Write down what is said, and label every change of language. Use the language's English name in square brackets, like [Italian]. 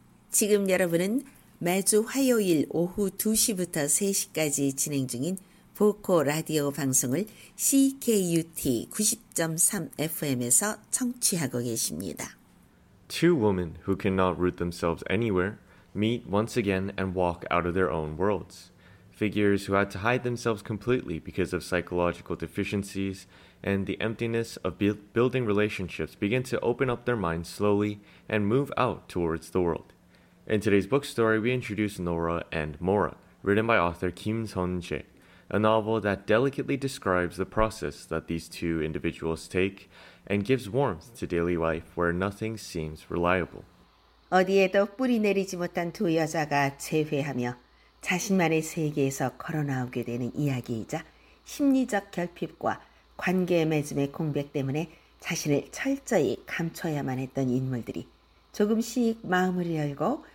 [Korean] 지금 여러분은 매주 화요일 오후 2시부터 3시까지 진행 중인 보코 라디오 방송을 CKUT 90.3 FM에서 청취하고 계십니다. [English] Two women who cannot root themselves anywhere meet once again and walk out of their own worlds. Figures who had to hide themselves completely because of psychological deficiencies and the emptiness of building relationships begin to open up their minds slowly and move out towards the world. In today's book story, we introduce Nora and Mora, written by author Kim Sun-jae, a novel that delicately describes the process that these two individuals take and gives warmth to daily life where nothing seems reliable. [Korean] 어디에도 뿌리 내리지 못한 두 여자가 재회하며 자신만의 세계에서 걸어나오게 되는 이야기이자 심리적 결핍과 관계 맺음의 공백 때문에 자신을 철저히 감춰야만 했던 인물들이 조금씩 마음을 열고